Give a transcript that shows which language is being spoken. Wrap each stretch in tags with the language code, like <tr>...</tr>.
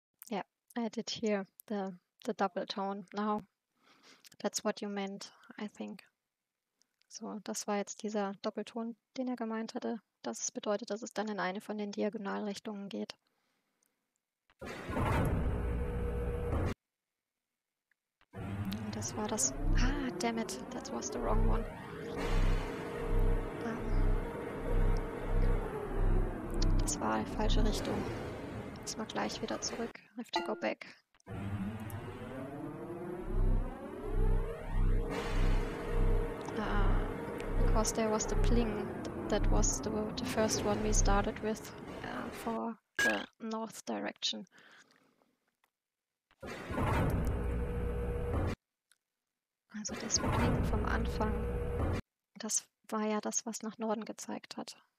<en>Yeah, I did hear the double tone now. That's what you meant, I think.</en> <de>So, das war jetzt dieser Doppelton, den er gemeint hatte. Das bedeutet, dass es dann in eine von den Diagonalrichtungen geht. Und das war das.</de> <en>Ah, damn it, that was the wrong one.</en> <de>Das war die falsche Richtung. Jetzt mal gleich wieder zurück.</de> <en>I have to go back. There was the pling that was the first one we started with for the north direction.</en> <de>Also das Pling vom Anfang, das war ja das, was nach Norden gezeigt hat.</de>